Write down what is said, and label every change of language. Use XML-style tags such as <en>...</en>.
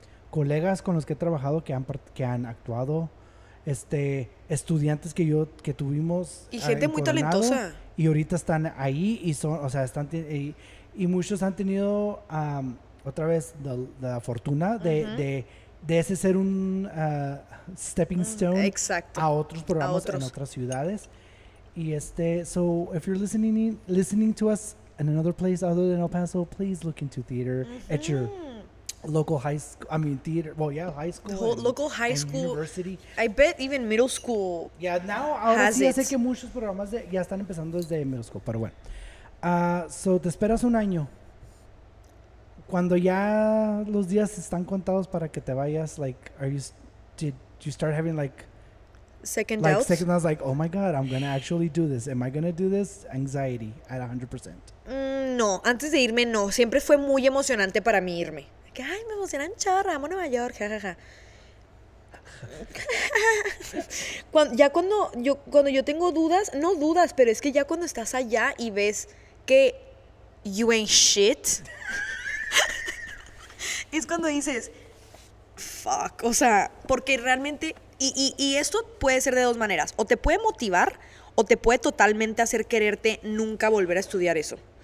<es>colegas con los que he trabajado que han actuado, estudiantes que tuvimos y gente muy talentosa y ahorita están ahí y son, o sea, están y muchos han tenido otra vez la fortuna de, uh-huh. de ese ser un</es> <en>stepping stone</en> <es>a otros programas, a otros. En otras ciudades.</es> <en>Y so if you're listening to us in another place other than El Paso, please look into theater at your local high school, theater. Well, yeah, high school. The whole local high school. University. I bet even middle school.</en> <es>Yeah, now, ahora sí, ya sé que muchos programas ya están empezando desde middle school, pero bueno. So, te esperas un año. Cuando ya los días están contados para que te vayas,</es> <en>did you start having second doubts? Second doubts, like, oh my God, I'm going to actually do this. Am I going to do this? Anxiety at 100%.</en> <es>No, antes de irme, no. Siempre fue muy emocionante para mí irme. Que, ay, me emocionan chorra, amo Nueva York, jajaja. cuando yo tengo dudas, no dudas, pero es que ya cuando estás allá y ves que</es> <en>you ain't shit,</en> <es>es cuando dices, fuck, o sea, porque realmente, y esto puede ser de dos maneras, o te puede motivar o te puede totalmente hacer quererte nunca volver a estudiar eso.</es>